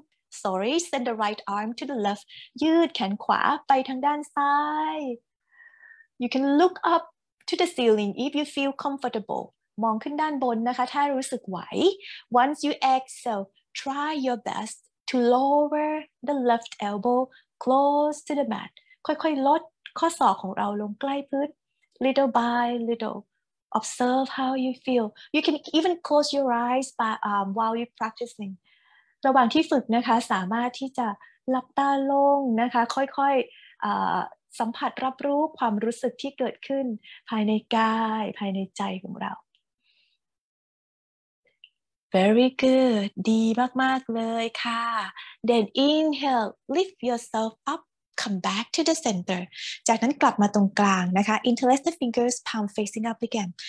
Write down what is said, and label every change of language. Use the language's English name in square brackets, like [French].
[English] Send the right arm to the left. [Thai] ยืดแขนขวาไปทางด้านซ้าย [English] You can look up to the ceiling if you feel comfortable. [Thai] มองขึ้นด้านบนนะคะถ้ารู้สึกไหว [English] Once you exhale,Try your best to lower the left elbow close to the mat. [Thai] ค่อยๆลดข้อศอกของเราลงใกล้พื้น [English] little by little. Observe how you feel. You can even close your eyes by, while you're practicing. [Thai] ระหว่างที่ฝึกนะคะสามารถที่จะหลับตาลงนะคะค่อยๆสัมผัสรับรู้ความรู้สึกที่เกิดขึ้นภายในกายภายในใจของเรา [English] Very good. [Thai] ดีมากๆเลยค่ะ [English] Then inhale, lift yourself up, come back to the center. [Thai] จากนั้นกลับมาตรงกลางนะคะ [English] Interlace the fingers, palm facing up again.